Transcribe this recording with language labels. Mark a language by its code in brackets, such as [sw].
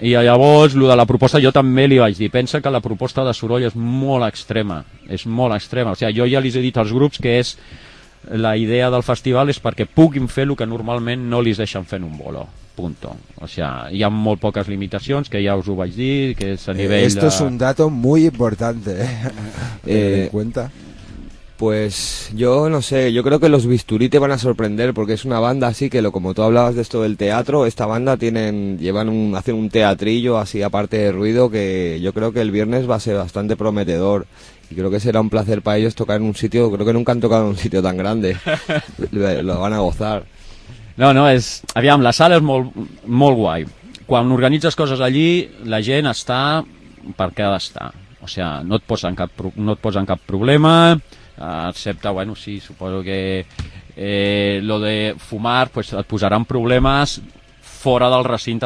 [ca] I llavors, lo de la proposta, jo també li vaig dir, pensa que la proposta de Soroll és molt extrema, o sigui, jo ja li he dit als grups que és, la idea del festival és perquè puguin fer el que normalment no li deixen fer en un bolo. Punto. [es] O sea, [ca] hi ha molt poques limitacions, que ja us ho vaig dir, que és a nivell esto de... [es] Esto es un dato muy importante, en cuenta. Pues yo no sé, yo creo que los Bisturí te van a sorprender, porque es una banda así que, como tú hablabas de esto del teatro, esta banda hacen un teatrillo así, aparte de ruido, que yo creo que el viernes va a ser bastante prometedor. Y creo que será un placer para ellos tocar en un sitio, creo que nunca han tocado en un sitio tan grande. Lo van a gozar. [ca] No, és, aviam, la sala és molt, molt guai. Quan organitzes coses allí, la gent està per què ha d'estar. O sigui, no et posen cap problema, excepte, bueno, sí, suposo que lo de fumar, pues et posaran problemes fora del recinte.